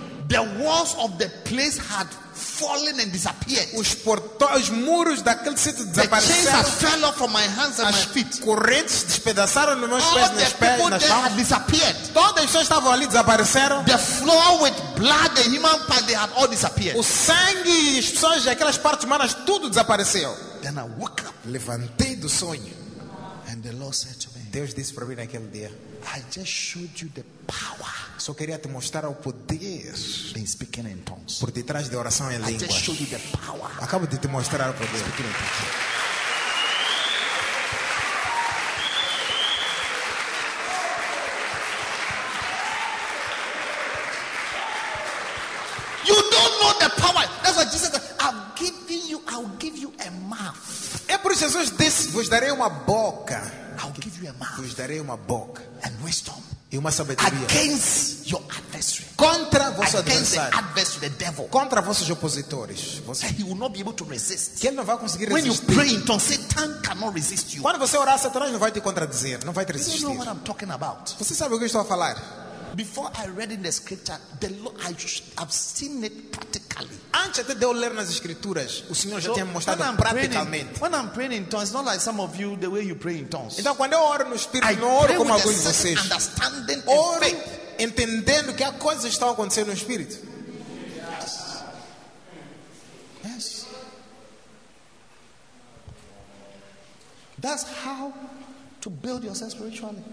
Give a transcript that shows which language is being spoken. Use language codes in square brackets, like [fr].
[en] the walls of the place had fallen and disappeared. [pt] Os portões, muros daquele sítio desapareceram. [en] The chains fell off from my hands and [pt] as [en] my feet. [pt] Correntes despedaçaram nos meus pés, nas pernas. [en] All the people there had disappeared. [pt] Todas as pessoas estavam ali desapareceram. [en] The floor with blood, the human parts, they had all disappeared. [pt] O sangue, as pessoas, aquelas partes humanas, tudo desapareceu. [en] Then I woke up. [pt] Levantei do sonho. [en] And the Lord said to me, [pt] Deus disse para mim naquele dia, [en] I just showed you the power. [pt] Só queria te mostrar o poder [en] in speaking in tongues. [pt] Por detrás da oração em línguas. [en] I just showed you the power. [pt] Acabo de te mostrar o poder. [en] Speaking in tongues. You don't know the power. That's what Jesus said. I've given you. I'll give you a mouth. [pt] É por isso Jesus disse, vos darei uma boca. [en] I'll give you a mouth. [pt] Vos darei uma boca. [en] And wisdom. [pt] E uma sabedoria. [en] Against your adversary. [pt] Contra vosso [en] against [pt] adversário. [en] Against the adversary, the devil. [pt] Contra vossos opositores. [en] Vossos... He will not be able to resist. [pt] Que ele não vai conseguir [en] when [pt] resistir. [en] When you pray in tongues, Satan cannot resist you. [pt] Quando você orar, Satanás não vai te contradizer, não vai te resistir. [en] You know what I'm talking about. [pt] Você sabe o que eu estou a falar? [en] Before I read in the scripture, the Lord, I've seen it practically. [pt] Antes de eu ler nas escrituras, o Senhor já tinha mostrado praticamente. [en] When I'm praying in tongues, it's not like some of you the way you pray in tongues. [pt] Então quando eu oro no espírito, não oro como alguns de vocês. [en] Understanding [pt] oro [en] and faith. [pt] Entendendo que há coisas que estão acontecendo no espírito. [en] Yes. Yes. That's how to build yourself spiritually.